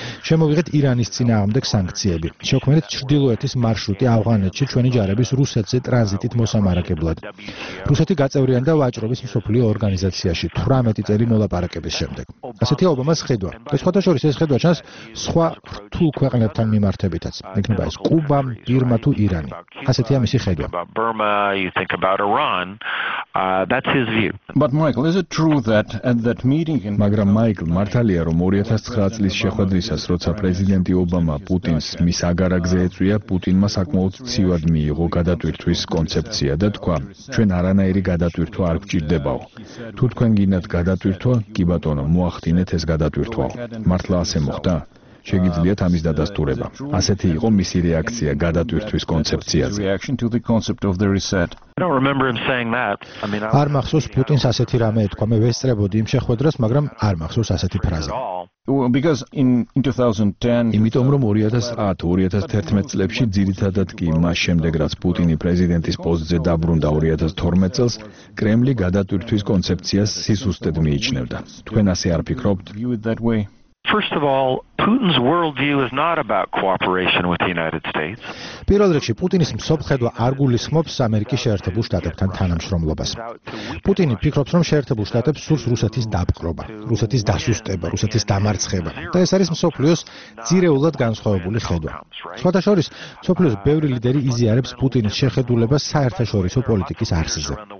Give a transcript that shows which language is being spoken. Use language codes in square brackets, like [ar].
[ka] შემოვიღეთ ირანის წინააღმდეგ სანქციები. შექმნეთ ჩრდილოეთის მარშრუტი ავღანეთში ჩვენი ჯარების რუსეთზე ტრანზიტით მოსამარაგებლად. რუსეთი გაწევრიანდა ვაჭრობის მსოფლიო ორგანიზაციაში 18 წელი მოლაპარაკების შემდეგ. ასეთი ობამას ხედვა. სხვადასხვა ეს ხედვა ჩანს სხვა რთულ ქვეყნებთან მიმართებითაც. იქნება ეს კუბა, ბირმა თუ ირანი. ასეთი ამისი ხედვა. [en] Burma, you think about Iran. That's his view. But Michael, is it true that at that meeting in [ka] მაგრამ მაიკლ მართალია რომ 2009 წლის შეხვედრისას როცა პრეზიდენტი ობამა პუტინს მის აგარაგზე ეწვია, პუტინმა საკმაოდ ცივად მიიღო გადატვირთვის კონცეფცია და თქვა: ჩვენ არანაირი გადატვირთვა არ გვჭირდებაო. თუ თქვენ გინდათ გადატვირთვა, კი ბატონო, მოახდინეთ ეს გადატვირთვა. მართლა ასე მოხდა? შეგიძლიათ ამის დადასტურება. ასეთი იყო მისი რეაქცია გადატვირთვის კონცეფციაზე. [en] I don't remember him saying that. I mean, [ka] არ მახსოვს პუტინს ასეთი რამე ეთქვა. მე ვესწრებოდი იმ შეხვედრას, მაგრამ არ მახსოვს ასეთი ფრაზა. [en] Because in 2010, [ka] იმიტომ რომ 2010-2011 წლებში ძირითადად კი მას შემდეგ, რაც პუტინი პრეზიდენტის პოსტზე დაბრუნდა 2012 წელს, კრემლი გადატვირთვის კონცეფციას სისუსტად მიიჩნევდა. თქვენ ასე არ ფიქრობთ? [en] First of all, Putin's world view is not about cooperation with the United States. [ka] პირველ რიგში, პუტინის მსოფლმხედვა არ გულისხმობს ამერიკის შეერთებულ შტატებთან თანამშრომლობას. პუტინი ფიქრობს, რომ შეერთებულ შტატებს სურს რუსეთის დაპყრობა, რუსეთის დასუსტება, რუსეთის დამარცხება და ეს არის მსოფლიოს ძირეულად განსხვავებული ხედვა. სხვადასხვა მსოფლიოს ბევრი ლიდერი იზიარებს პუტინის შეხედულებას საერთაშორისო პოლიტიკის არსზე.